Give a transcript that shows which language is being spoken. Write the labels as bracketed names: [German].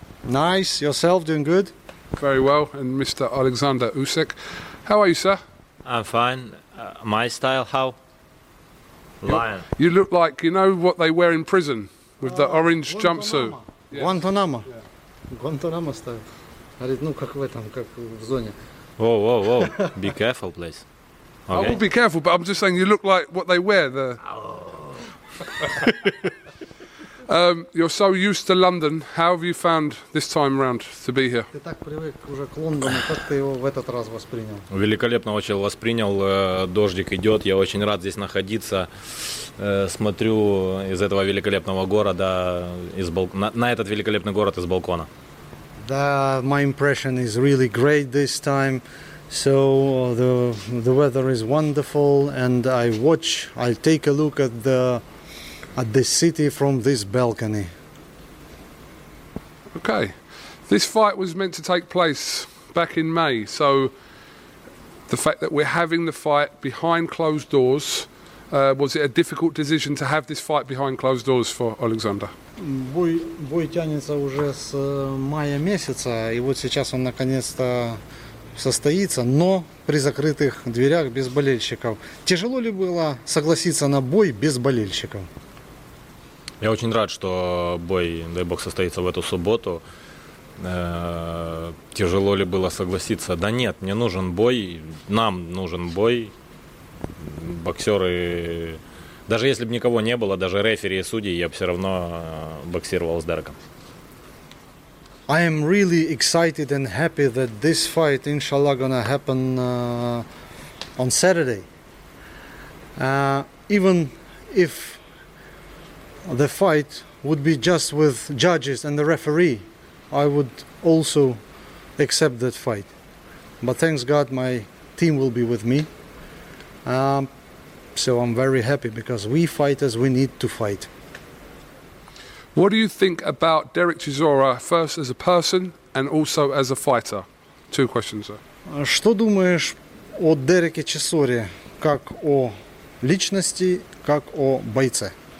[English] Nice. Yourself, doing good? Very well. And Mr. Oleksandr Usyk. How are you, sir? I'm fine. My style, how? Lion. You look like, you know what they wear in prison with the orange jumpsuit. Guantanamo. Guantanamo style. [Russian] Говорит, ну как в этом, как в зоне. [English] Whoa. Be careful, please. Okay. I will be careful, but I'm just saying you look like what they wear. The. You're so used to London. How have you found this time around to be here? [Russian] Ты так привык уже к Лондону, как ты его в этот раз воспринял? Великолепно очень воспринял. Дождик идет, я очень рад здесь находиться. Смотрю из этого великолепного города, на этот великолепный город из балкона. [English] Да, my impression is really great this time. So the weather is wonderful, and I'll take a look at the. At the city from this balcony. Okay. This fight was meant to take place back in May. So the fact that we're having the fight behind closed doors, was it a difficult decision to have this fight behind closed doors for Oleksandr? [Russian] Бой тянется уже с мая месяца, и вот сейчас он наконец-то состоится, но при закрытых дверях без болельщиков. Тяжело ли было согласиться на бой без болельщиков? Я очень рад, что бой, дай бог, состоится в эту субботу. Тяжело ли было согласиться? Да нет, мне нужен бой, нам нужен бой. Боксеры, даже если бы никого не было, даже рефери и судьи, я бы все равно боксировал с Дереком. [English] I am really excited and happy that this fight, inshallah, gonna happen on Saturday. Even if the fight would be just with judges and the referee, I would also accept that fight. But thanks God, my team will be with me. So I'm very happy because we fighters, we need to fight. What do you think about Derek Chisora, first as a person and also as a fighter? Two questions, sir. [Russian] Что думаешь о Дереке Чисоре, как о личности, как о бойце?